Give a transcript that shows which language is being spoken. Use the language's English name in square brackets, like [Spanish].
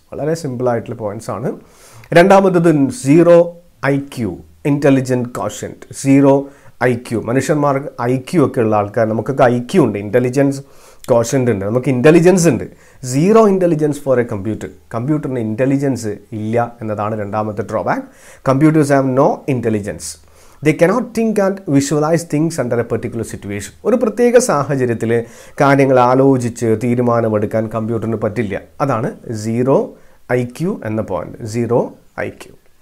[Malayalam] വളരെ സിമ്പിളായിട്ടുള്ള പോയിൻറ്റ്സ് ആണ്. രണ്ടാമത്തത് zero I Q, intelligent quotient. Zero I Q, മനുഷ്യന്മാർക്ക് ഐ ക്യു ഒക്കെ ഉള്ള ആൾക്കാർ, നമുക്കൊക്കെ ഐ ക്യു ഉണ്ട്, ഇൻ്റലിജൻസ് കോഷ്യൻ്റ് ഉണ്ട്, നമുക്ക് ഇൻ്റലിജൻസ് ഉണ്ട്. [English] zero intelligence for a computer, [Malayalam] കമ്പ്യൂട്ടറിന് intelligence ഇല്ല എന്നതാണ് രണ്ടാമത്തെ drawback. [English] Computers have no intelligence. They cannot think and visualize things under a particular situation. [Malayalam] ഒരു പ്രത്യേക സാഹചര്യത്തിൽ കാര്യങ്ങൾ ആലോചിച്ച് തീരുമാനമെടുക്കാൻ കമ്പ്യൂട്ടറിന് പറ്റില്ല. അതാണ് സീറോ ഐ ക്യു എന്ന പോയിന്റ്. Zero I Q.